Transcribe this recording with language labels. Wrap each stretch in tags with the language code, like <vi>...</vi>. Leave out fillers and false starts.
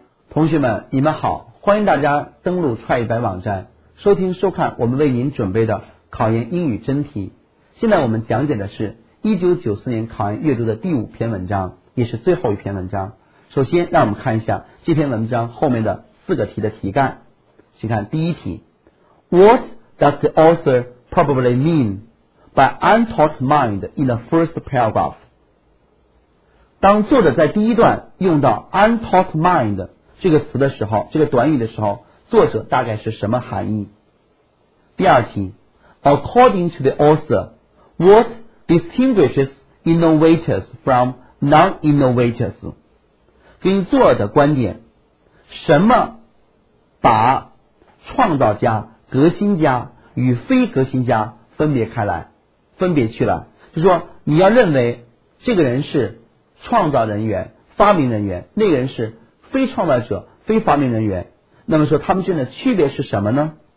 <zh>同学们你们好，欢迎大家登录创意白网站收听收看我们为您准备的考研英语真题。现在我们讲解的是1994年考研阅读的第五篇文章，也是最后一篇文章。首先让我们看一下这篇文章后面的四个题的题干。</zh> <en>请看第一题， What does the author probably mean by untaught mind in the first paragraph？</en> <zh>当作者在第一段用到 untaught mind 这个词的时候，这个短语的时候，作者大概是什么含义？</zh> <en>第二题， According to the author, What distinguishes innovators from non-innovators？</en> <zh>根据作者的观点，什么把创造家、革新家与非革新家分别开来、分别去了，就是说你要认为这个人是创造人员、发明人员，那个人是非创造者、非发明人员，那么说他们之间的区别是什么呢？</zh>